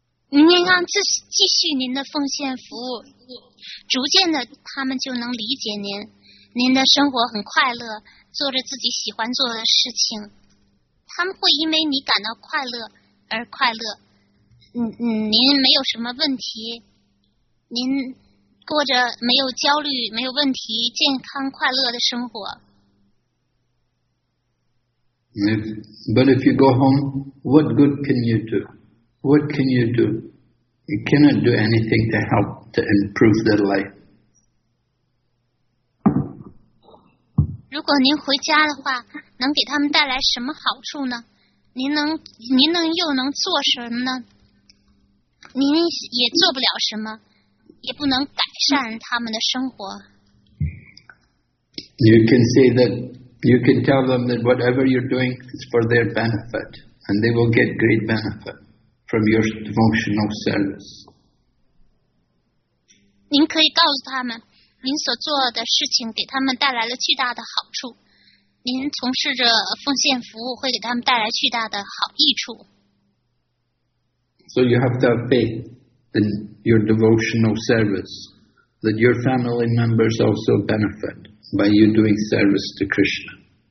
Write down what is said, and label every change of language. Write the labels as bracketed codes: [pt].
[zh] 您让继续您的奉献服务，逐渐的他们就能理解您，您的生活很快乐，做着自己喜欢做的事情。他们会因为你感到快乐而快乐。您没有什么问题，您过着没有焦虑、没有问题、健康快乐的生活。 [en] But if you go home, what good can you do? What can you do? You cannot do anything to help to improve their life. [zh] 如果您回家的话。能给他们带来什么好处呢？您能又能做什么呢？您也做不了什么，也不能改善他们的生活。 [en] You can say that you can tell them that whatever you're doing is for their benefit, and they will get great benefit from your devotional service. [zh] 您可以告诉他们，您所做的事情给他们带来了巨大的好处。您从事着奉献服务会给他们带来巨大的好益处。 [en] So you have to have faith in your devotional service, that your family members also benefit by you doing service to Krishna.